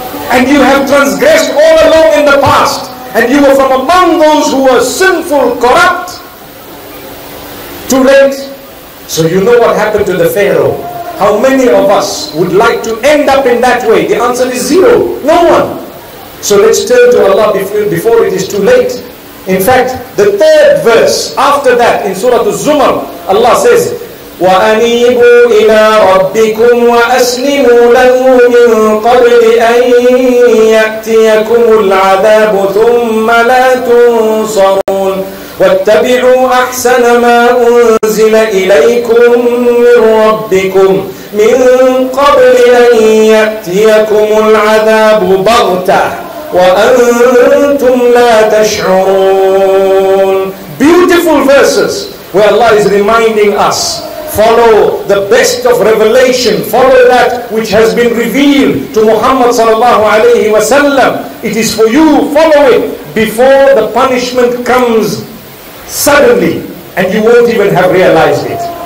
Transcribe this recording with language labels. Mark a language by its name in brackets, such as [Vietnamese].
[English] And you have transgressed all along in the past. And you were from among those who were sinful, corrupt. Too late. So you know what happened to the Pharaoh. How many of us would like to end up in that way? The answer is zero. No one. So let's turn to Allah before it is too late. In fact, the third verse after that in Surah Az-Zumar, Allah says, [Arabic] وَأَنِيبُوا إِلَىٰ رَبِّكُمْ وَأَسْلِمُوا لَهُ مِنْ قَبْلِ أَنْ يَأْتِيَكُمُ الْعَذَابُ ثُمَّ لَا تُنصَرُونَ وَاتَّبِعُوا أَحْسَنَ مَا أُنزِلَ إِلَيْكُمْ مِنْ رَبِّكُمْ مِنْ قَبْلِ أَنْ يَأْتِيَكُمُ الْعَذَابُ بَغْتَةً وَأَنْتُمْ لَا تَشْعُرُونَ. [English] Beautiful verses where Allah is reminding us, follow the best of revelation, follow that which has been revealed to Muhammad sallallahu alayhi wa sallam. It is for you, follow it before the punishment comes suddenly and you won't even have realized it.